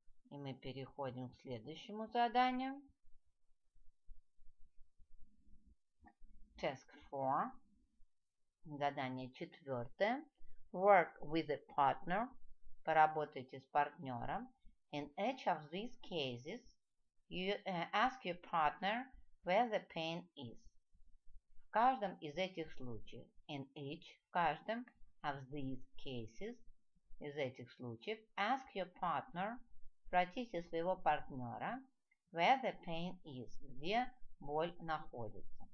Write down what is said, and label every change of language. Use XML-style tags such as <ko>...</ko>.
<ru>И мы переходим к следующему заданию.</ru> <en>Task 4.</en> <ru>Задание четвертое.</ru> <en>Work with a partner.</en> <ru>Поработайте с партнером.</ru> <en>In each of these cases, you ask your partner where the pain is.</en> <ru>В каждом из этих случаев.</ru> <en>In each,</en> <ru>в каждом</ru> <en>of these cases,</en> <ru>из этих случаев,</ru> <en>ask your partner,</en> <ru>спросите своего партнера,</ru> <en>where the pain is,</en> <ru>где боль находится.</ru>